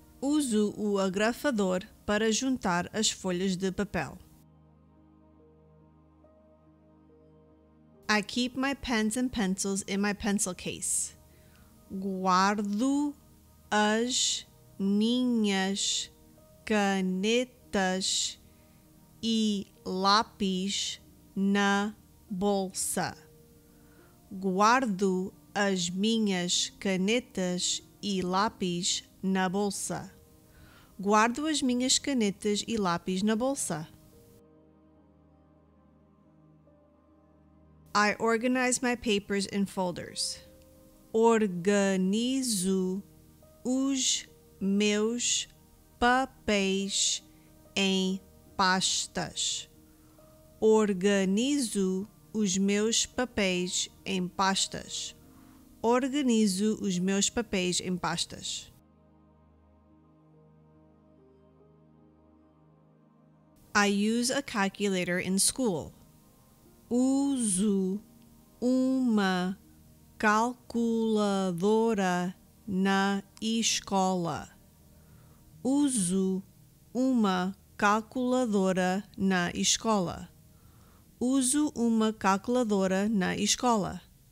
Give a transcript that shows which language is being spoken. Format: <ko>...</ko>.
<pt>Uso o agrafador para juntar as folhas de papel.</pt> <en>I keep my pens and pencils in my pencil case.</en> <pt>Guardo as minhas canetas e lápis na bolsa. Guardo as minhas canetas e lápis na bolsa. Guardo as minhas canetas e lápis na bolsa.</pt> <en>I organize my papers in folders.</en> <pt>Organizo os meus papéis em pastas. Organizo os meus papéis em pastas. Organizo os meus papéis em pastas.</pt> <en>I use a calculator in school.</en> <pt>Uso uma calculadora na escola. Uso uma calculadora na escola. Uso uma calculadora na escola.</pt>